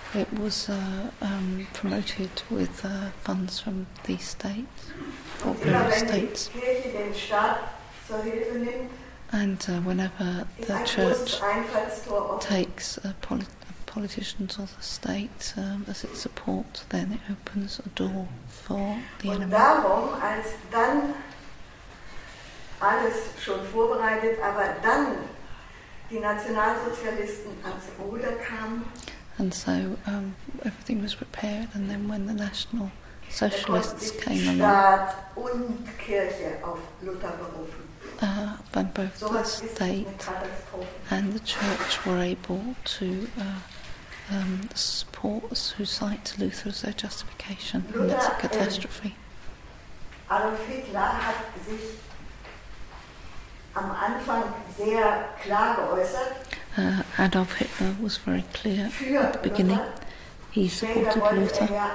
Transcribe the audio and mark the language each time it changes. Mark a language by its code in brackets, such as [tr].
[en] It was promoted with funds from the states, or various states. [de] Und immer, wenn die Kirche den Staat zur Hilfe nimmt, [en] and whenever the [de] ein [en] church takes politicians or the state as its support, then it opens a door for the [de] und [en] enemy. [de] Darum, als dann alles schon vorbereitet, aber dann die Nationalsozialisten ans Ruder kamen, [en] and so everything was prepared, and then when the National socialists came along. [de] Staat und Kirche auf Luther berufen. [en] When both the state and the church were able to support, who cite Luther as their justification, and it's a catastrophe. [de] Adolf Hitler hat sich am Anfang sehr klar geäußert. [en] Adolf Hitler was very clear at the beginning. He supported Luther.